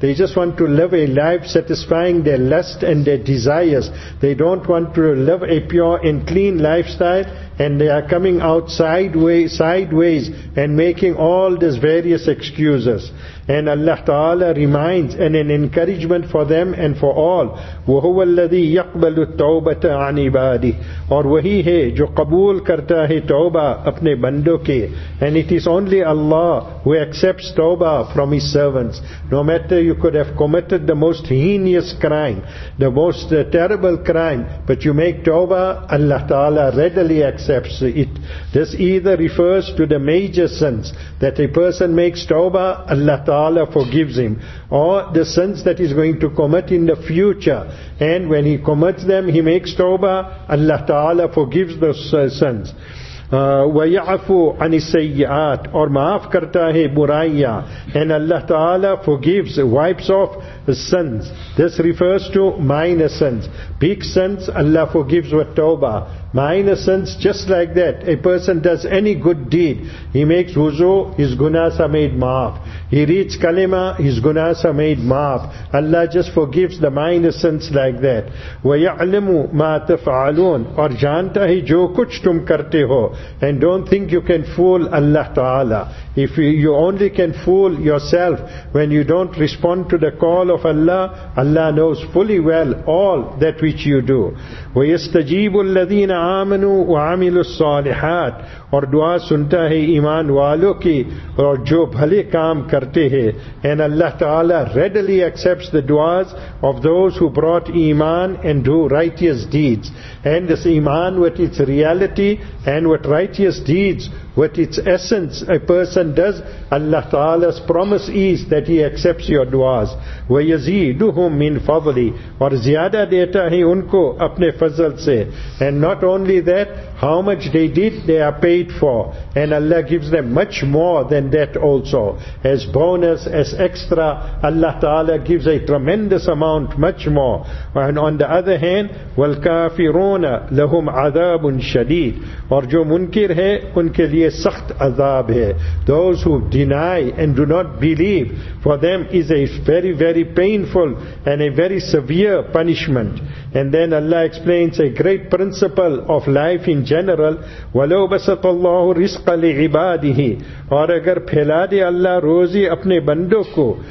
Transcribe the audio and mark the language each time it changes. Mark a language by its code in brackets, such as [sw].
[en] They just want to live a life satisfying their lust and their desires. They don't want to live a pure and clean lifestyle. and they are coming out sideways and making all these various excuses. And Allah Ta'ala reminds and an encouragement for them and for all. [ar] وَهُوَ الَّذِي يَقْبَلُ التَّوْبَةَ عَنْ عِبَادِهِ [ur] اور وہی ہے جو قبول کرتا ہے توبہ اپنے بندوں کے. [en] And it is only Allah who accepts توبہ from His servants. No matter you could have committed the most heinous crime, the most terrible crime, but you make توبہ, Allah Ta'ala readily accepts it. This either refers to the major sins that a person makes توبہ, Allah Ta'ala forgives him, or the sins that he's going to commit in the future, and when he commits them he makes tawbah, Allah Ta'ala forgives those sins. [ar] وَيَعْفُ عَنِ السَّيِّعَاتِ [ur] اور معاف کرتا ہے برائیہ, [en] and Allah Ta'ala forgives, wipes off sins. This refers to minor sins. Big sins, Allah forgives with tawbah. Minor sins, just like that, a person does any good deed, he makes wuzu, his gunas are made maaf. He reads kalima, his gunas are made maaf. Allah just forgives the minor sins like that. [ar] وَيَعْلِمُ مَا تَفْعَلُونَ [ur] اور جانتا ہے جو کچھ تم کرتے ہو. [en] And don't think you can fool Allah Ta'ala. If you only can fool yourself when you don't respond to the call of Allah, Allah knows fully well all that which you do. [ar] وَيَسْتَجِيبُ الَّذِينَ آمَنُوا وَعَمِلُوا الصَّالِحَاتِ [ur] اور دعا سنتا ہے ایمان والوں کی اور جو بھلے کام کرتے ہیں. [en] And Allah Ta'ala readily accepts the duas of those who brought iman and do righteous deeds. And this iman with its reality and with righteous deeds, with its essence, a person does, Allah Ta'ala's promise is that He accepts your duas. [ar] وَيَزِيدُهُمْ مِنْ فَضْلِ [ur] اور زیادہ دیتا ہے ان کو اپنے فضل سے. [en] And not only that, how much they did, they are paid for. And Allah gives them much more than that also. As bonus, as extra, Allah Ta'ala gives a tremendous amount, much more. And on the other hand, [ar] وَالْكَافِرُونَ لَهُمْ عَذَابٌ شَدِيدٌ [ur] اور جو منکر ہے, ان کے لئے سخت عذاب ہے. [en] Those who deny and do not believe, for them is a very, very painful and a very severe punishment. And then Allah explains a great principle of life in general. [ar] وَلَوْ بَسَطَ اللَّهُ رِزْقَ لِعِبَادِهِ [ur] اور اگر پھیلا دے اللہ روزی اپنے بندوں کو.